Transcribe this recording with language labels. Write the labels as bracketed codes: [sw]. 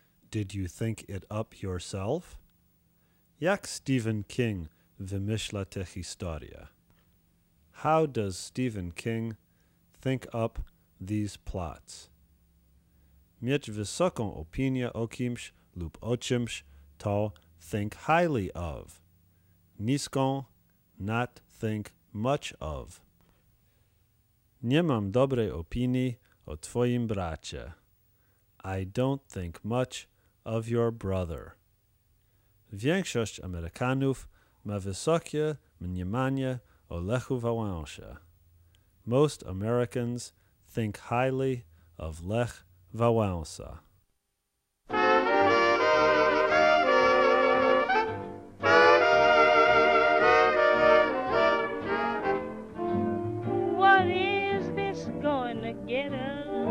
[en] Did you think it up yourself? [pl] Jak Stephen King wymyśla tę historię? [en] How does Stephen King think up these plots? [pl] Mieć wysoką opinię o kimś lub o czymś [en] to think highly of. [pl] Niską, [en] not think much of. [pl] Nie mam dobrej opinii o twoim bracie. [en] I don't think much of your brother. [pl] większość Amerykanów ma wysokie mniemanie o Lechu Wałęsie. [en] Most Americans think highly of Lech Wałęsa. What is this going to get us?